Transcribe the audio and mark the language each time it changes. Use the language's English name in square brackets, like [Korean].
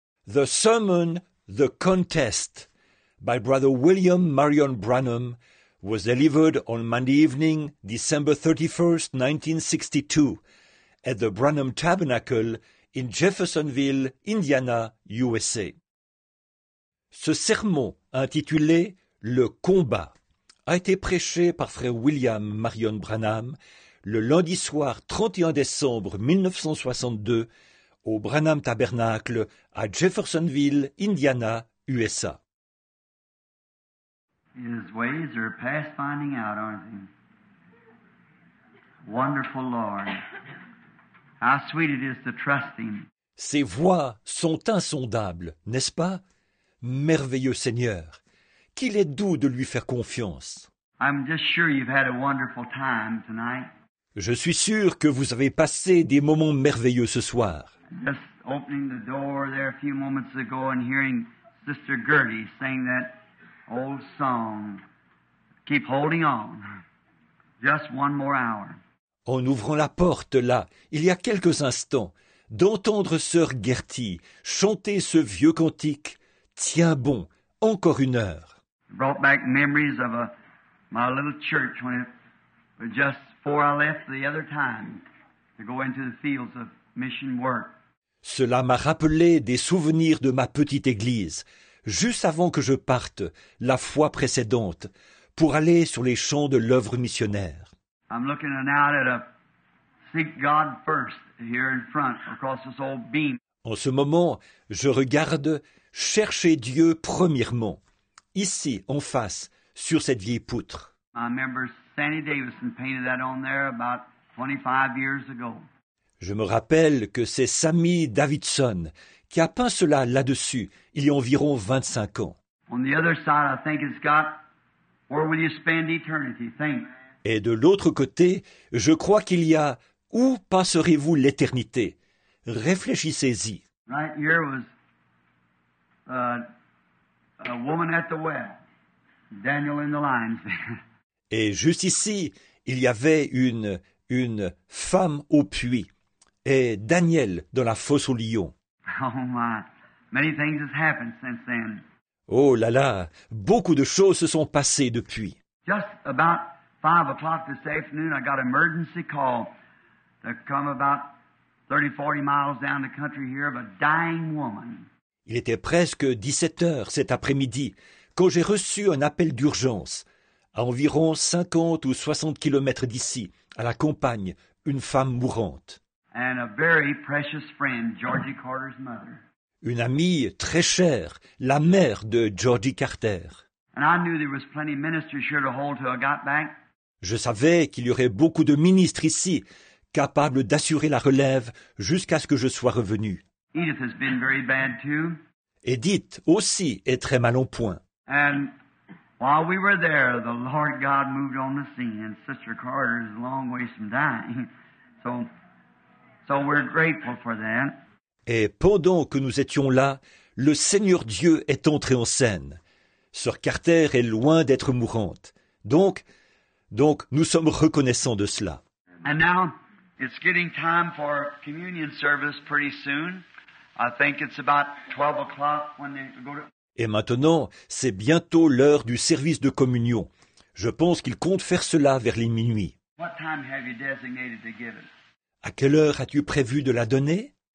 [English] The Sermon, The Contest by Brother William Marion Branham was delivered on Monday evening, December 31, 1962, at the Branham Tabernacle in Jeffersonville, Indiana, USA. [French] Ce sermon intitulé « Le combat » a été prêché par Frère William Marion Branham le lundi soir 31 décembre 1962 au Branham Tabernacle à Jeffersonville, Indiana, USA. [English] His ways are past finding out, aren't they? Wonderful Lord, how sweet it is to trust Him. [French] Ses voies sont insondables, n'est-ce pas? Merveilleux Seigneur, qu'il est doux de lui faire confiance. [English] I'm just sure you've had a wonderful time tonight. [French] Je suis sûr que vous avez passé des moments merveilleux ce soir. [English] Just opening the door there a few moments ago and hearing Sister Gertie saying that old song, keep holding on, just one more hour. [French] En ouvrant la porte là, il y a quelques instants, d'entendre Sœur Gertie chanter ce vieux cantique, tiens bon, encore une heure. [English] Brought back memories of my little church when just before I left the other time to go into the fields of mission work. [French] Cela m'a rappelé des souvenirs de ma petite église, juste avant que je parte, la fois précédente, pour aller sur les champs de l'œuvre missionnaire. [English] I'm looking out at a seek God first here in front across this old beam. [French] En ce moment, je regarde chercher Dieu premièrement, ici, en face, sur cette vieille poutre. [English] I remember Sandy Davison painted that on there about 25 years ago. [French] Je me rappelle que c'est Sammy Davidson qui a peint cela là-dessus, il y a environ 25 ans. [English] On the other side, I think it's got, where will you spend eternity? Think. [French] Et de l'autre côté, je crois qu'il y a « Où passerez-vous l'éternité ?» Réfléchissez-y. [English] Right here was a woman at the well, Daniel in the lions there. [French] Et juste ici, il y avait une femme au puits. Et Daniel dans la fosse au lion. [English] Oh my, many things have happened since then. [French] Oh là là, beaucoup de choses se sont passées depuis. [English] Just about 5 o'clock this afternoon, I got an emergency call to come about 30-40 miles down the country here of a dying woman. [French] Il était presque 17 heures cet après-midi quand j'ai reçu un appel d'urgence à environ 50 ou 60 kilomètres d'ici, à la campagne, une femme mourante. [English] And a very precious friend, Georgie Carter's mother. [French] Une amie très chère, la mère de Georgie Carter. [English] And I knew there was plenty of ministers here to hold till I got back. [French] Je savais qu'il y aurait beaucoup de ministres ici, capables d'assurer la relève jusqu'à ce que je sois revenu. [English] Edith has been very bad too. [French] Edith aussi est très mal en point. [English] And while we were there, the Lord God moved on the scene, and Sister Carter is a long ways from dying. So we're grateful for that. [French] Et pendant que nous étions là, le Seigneur Dieu est entré en scène. Sœur Carter est loin d'être mourante. Donc nous sommes reconnaissants de cela. [English] And now it's getting time for communion service pretty soon. I think it's about 12 o'clock when they go to. [French] Et maintenant, c'est bientôt l'heure du service de communion. Je pense qu'il compte faire cela vers les minuit. [English] What time have you designated to give it? [French] À quelle heure as-tu prévu de la donner?